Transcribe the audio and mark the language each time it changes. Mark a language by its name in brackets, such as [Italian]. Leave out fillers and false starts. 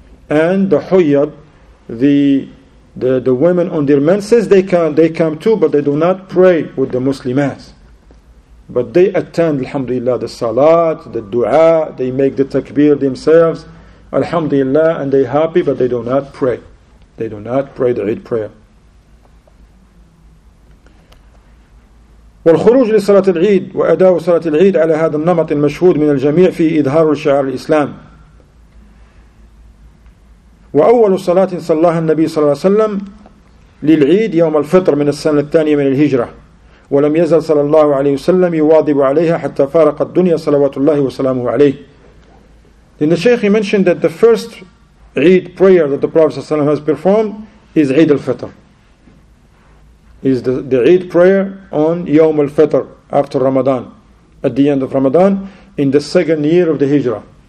[English] and the Huyad, the women on their menses, they come too, but they do not pray with the Muslimat. But they attend, alhamdulillah, the salat, the dua, they make the takbir themselves, alhamdulillah, and they're happy, but they do not pray. They do not pray the Eid prayer. [Arabic] والخروج لصلاة العيد وأداء صلاة العيد على هذا النمط المشهود من الجميع في إظهار شعائر الإسلام. وأول صلاة صلاها النبي صلى الله عليه وسلم للعيد يوم الفطر من السنة الثانية من الهجرة، ولم يزل صلى الله عليه وسلم يواظب عليها حتى فارق الدنيا صلوات الله وسلامه عليه. لأن الشيخ [English] mentioned that the first Eid prayer that the Prophet صلى الله عليه وسلم has performed is عيد الفطر. Is the Eid prayer on Yawm al-Fitr after Ramadan, at the end of Ramadan, in the second year of the Hijrah.